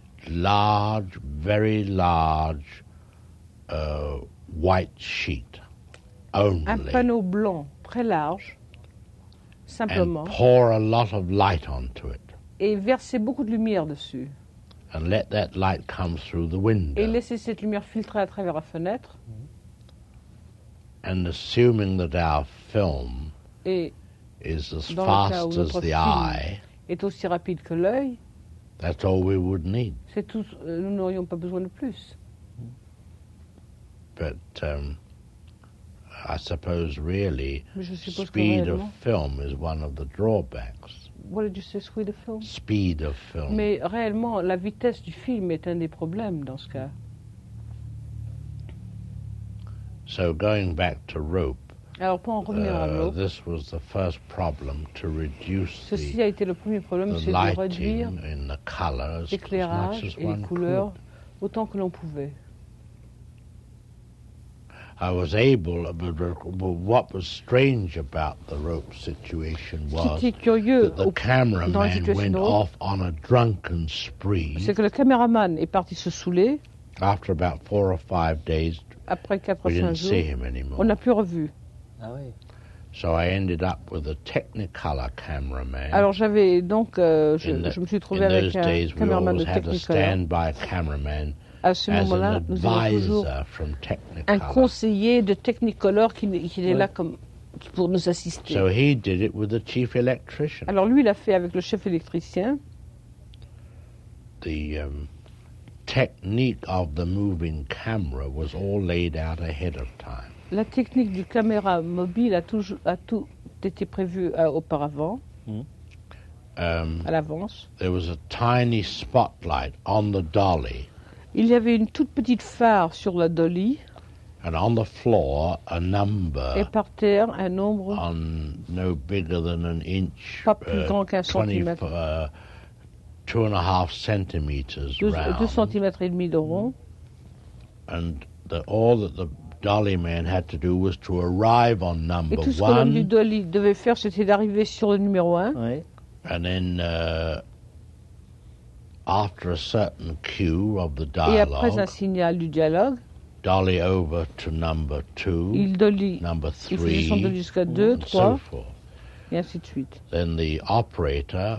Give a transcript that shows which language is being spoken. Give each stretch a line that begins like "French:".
English: large, very large white sheet. Only.
French: Un panneau blanc très large, simplement.
English: And pour a lot of light onto it.
French: Et verser beaucoup de lumière dessus.
English: And let that light come through the window.
French: Et laisser cette lumière filtrer à travers la fenêtre.
English: And assuming that our film is as fast as the eye.
French: Est aussi rapide que l'œil.
English: That's all we would need.
French: C'est tout. Nous n'aurions pas besoin de plus.
English: But I suppose, really, speed of film is one of the drawbacks. What did you say, speed of film? Speed of film.
French: Mais réellement, la vitesse du film est un des problèmes dans ce cas.
English: So going back to rope.
French: Alors pour en revenir à rope.
English: This was the first problem to reduce
French: ceci a été le premier problème,
English: the lighting
French: de réduire
English: in the colors as much as one
French: couleurs,
English: could.
French: Autant que l'on pouvait.
English: I was able, but what was strange about the rope situation was that the cameraman went off on a drunken spree.
French: C'est que le caméraman est parti se saouler.
English: After about 4 or 5 days,
French: après 4
English: we didn't
French: jours,
English: see him anymore.
French: On n'a plus revu. Ah oui.
English: So I ended up with a Technicolor cameraman.
French: Alors j'avais donc je me suis trouvé avec un cameraman de Technicolor.
English: A standby cameraman.
French: À ce moment-là, nous avons toujours un conseiller de Technicolor qui est là comme pour nous assister.
English: So he did it with the chief electrician.
French: Alors lui, il a fait avec le chef électricien.
English: The technique of the moving camera was all laid out ahead of time.
French: La technique du caméra mobile a tout été prévu auparavant, à l'avance.
English: There was a tiny spotlight on the dolly.
French: Il y avait une toute petite phare sur la dolly.
English: And on the floor, a number.
French: Et par terre, un nombre.
English: On no bigger than an inch.
French: Pas plus grand qu'un centimètre.
English: 2.5 centimeters round.
French: 2.5 centimètres de rond.
English: And all that the dolly man had to do was to arrive on number
French: one. Et tout ce que l'homme du dolly devait faire, c'était d'arriver sur le numéro un. Oui.
English: And then, after a certain cue of the dialogue,
French: et après un signal du dialogue,
English: dolly over to number two,
French: il dolly,
English: number three,
French: il faisait son dolly jusqu'à deux,
English: and
French: trois,
English: so forth.
French: Et ainsi de suite.
English: Then the operator,